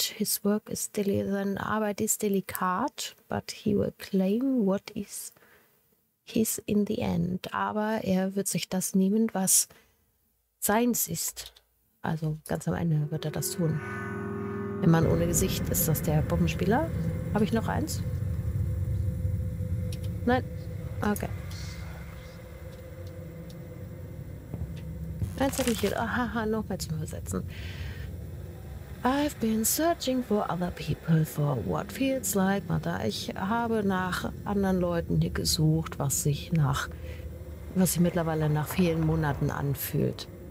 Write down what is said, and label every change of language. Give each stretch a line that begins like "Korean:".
English: His work is
German: seine Arbeit ist delikat,
English: but he will claim what is his in the end.
German: Aber er wird sich das nehmen, was seins ist. Also ganz am Ende wird er das tun. Der Mann ohne Gesicht, ist das der Bombenspieler? Habe ich noch eins? Nein? Okay. Aha, noch mal zum Übersetzen.
English: I've been searching for other people for what feels like, Mother.
German: Ich habe nach anderen Leuten hier gesucht, was sich mittlerweile nach vielen Monaten anfühlt.